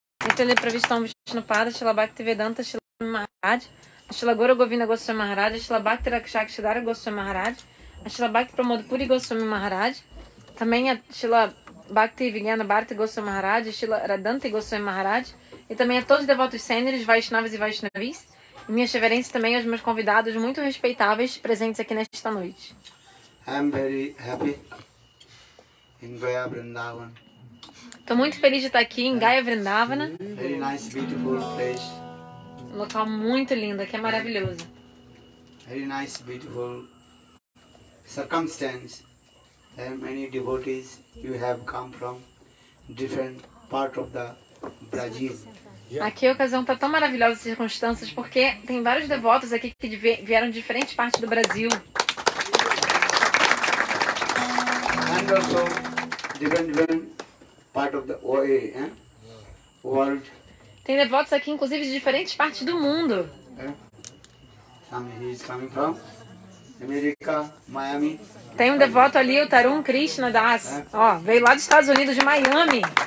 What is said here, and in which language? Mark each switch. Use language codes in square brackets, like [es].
[pt] Entendi para vista um Vishnupada, Srila Bhakti Vedanta, Srila Maharaj, Srila Gora Govinda Goswami Maharaj, Srila Bhakti Rakshak Shidara Goswami Maharaj, Srila Bhakti Pramod Puri Goswami Maharaj, também a Srila Bhakti Vigyana Bharati Goswami Maharaj, Srila Radhanti Goswami Maharaj, e também a todos os devotos sêniores, Vaishnavas e Vaishnavis. E minhas reverências também aos meus convidados muito respeitáveis presentes aqui nesta noite. [en] I'm very happy in Gaya Vrindavan. [pt] Estou muito feliz de estar aqui em Gaya Vrindavana. [en] Very nice, beautiful place. [pt] Um local muito lindo, aqui é maravilhoso. [en] Very nice, beautiful circumstance. There are many devotees you have come from different parts of the Brazil. [pt] Aqui a ocasião está tão maravilhosa, as circunstâncias, porque tem vários devotos aqui que vieram de diferentes partes do Brasil. [en] And also different part of the OA, eh? World. [pt] Tem devotos aqui, inclusive, de diferentes partes do mundo. [en] He's coming from America, Miami. [pt] Tem um devoto ali, o Tarun Krishna Das. Ó, veio lá dos Estados Unidos, de Miami.